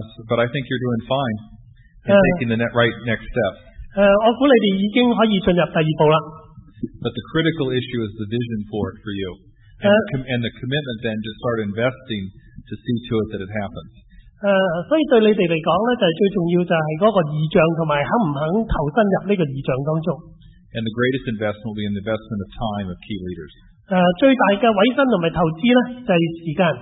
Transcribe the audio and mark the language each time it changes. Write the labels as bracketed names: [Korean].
[English] But I think you're doing fine in taking the right next step. [Chinese] 我估你们已经可以进入第二步了。 [English] But the critical issue is the vision for you. And the commitment then to start investing to see to it that it happens. [Chinese] 所以对你们来讲呢就是最重要就是那个意象和肯不肯投身入这个意象当中。 [English] And the greatest investment will be in the investment of time of key leaders. [Chinese] 最大的委身和投资呢就是时间。